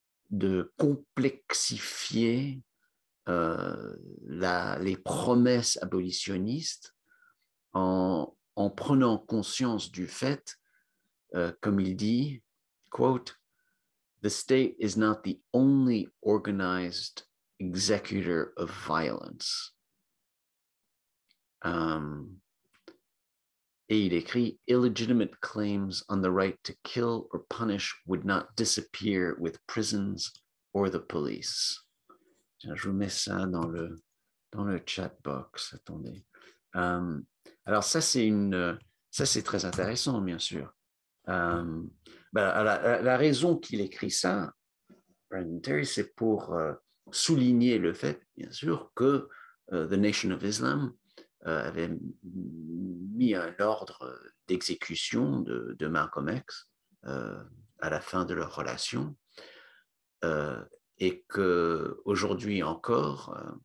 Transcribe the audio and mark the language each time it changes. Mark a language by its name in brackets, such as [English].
[French] de complexifier les promesses abolitionnistes en prenant conscience du fait, comme il dit, quote, [English] "The state is not the only organized executor of violence." [French] Et il écrit, [English] "Illegitimate claims on the right to kill or punish would not disappear with prisons or the police." [French] Je vous mets ça dans le chat box, attendez. Alors ça c'est très intéressant, bien sûr. La raison qu'il écrit ça, Brandon Terry, c'est pour souligner le fait, bien sûr, que The Nation of Islam avait mis un ordre d'exécution de Malcolm X à la fin de leur relation, et qu'aujourd'hui encore,